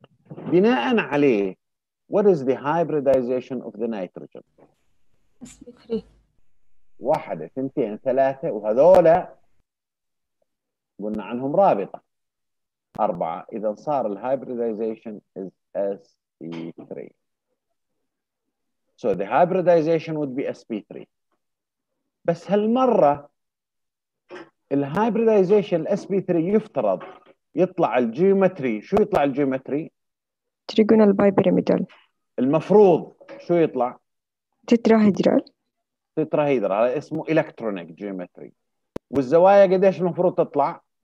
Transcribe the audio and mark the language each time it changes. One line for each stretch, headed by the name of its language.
Arabic: بناء عليه
English: what is the hybridization of the nitrogen؟
Arabic: واحدة اثنتين ثلاثة، وهذولا قلنا عنهم رابطة أربعة، إذا صار ال
English: hybridization is sp3. So the hybridization would be sp3.
Arabic: بس هالمرة ال hybridization sp3 يفترض يطلع الجيومتري، شو يطلع الجيومتري؟ تريجونال باي بيراميدال. المفروض شو يطلع؟ تتراهيدرال. تتراهيدرال اسمه الكترونيك جيومتري. والزوايا قديش المفروض تطلع؟